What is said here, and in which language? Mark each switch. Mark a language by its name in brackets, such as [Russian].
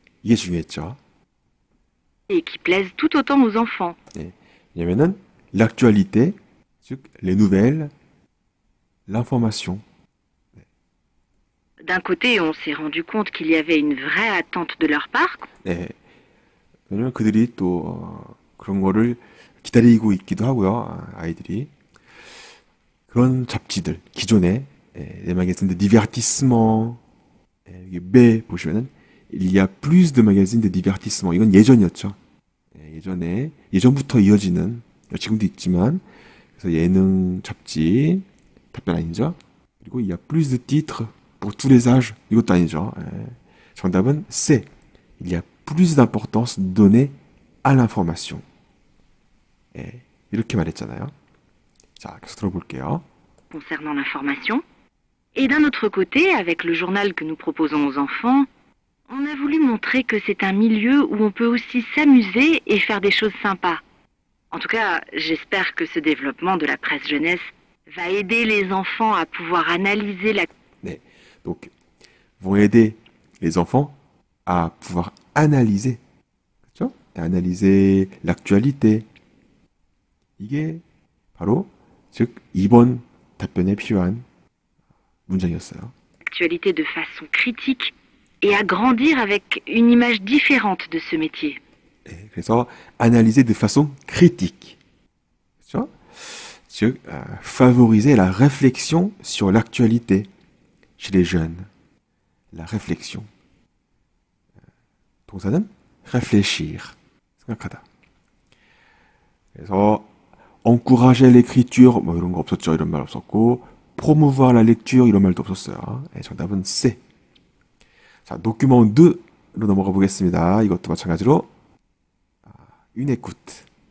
[French] Yesuetcha. Et qui plaisent tout autant aux enfants. Et maintenant, l'actualité, les nouvelles, l'information. D'un côté, on s'est rendu compte qu'il y avait une vraie attente de leur part. Et [Korean] 왜냐면 그들이 또 그런 거를 기다리고 있기도 하고요, 아이들이. 그런 잡지들, 기존에, 내 마게스인데, divertissement, 여기 매 보시면은, [French] il y a plus de magazines de divertissement. [Korean] 이건 예전이었죠. 예전에, 예전부터 이어지는, 지금도 있지만, 그래서 예능 잡지, 답변 아니죠. 그리고 [French] il y a plus de titres pour tous les âges. [Korean] 이것도 아니죠. 정답은 C. [French] Il y a plus d'importance donnée à l'information. [Korean] 이렇게 말했잖아요. 자, 계속 들어볼게요. [French] Concernant l'information. Et d'un autre côté, avec le journal que nous proposons aux enfants, on a voulu montrer que c'est un milieu où on peut aussi s'amuser et faire des choses sympas. En tout cas, j'espère que ce développement de la presse jeunesse va aider les enfants à pouvoir analyser la... Donc, vont aider les enfants à pouvoir analyser. Tu vois? Et analyser l'actualité. [Korean] 이게 바로... 즉, 이번 답변에 필요한 문장이었어요. [French] Actualité de façon critique et à grandir avec une image différente de ce métier. [Korean] 네, 그래서 [French] analyser de façon critique. [Korean] 그렇죠? [French] 즉, favoriser la réflexion sur l'actualité chez les jeunes. La réflexion. [Korean] 동사는 réfléchir. 생각하다. 그래서 [French] encourager l'écriture, [Korean] 뭐 이런 거 없었죠. 이런 말 없었고, [French] promouvoir la lecture, [Korean] 이런 말도 없었어요. 네, 정답은 C. 자, document 2로 넘어가 보겠습니다. 이것도 마찬가지로, [French] une écoute.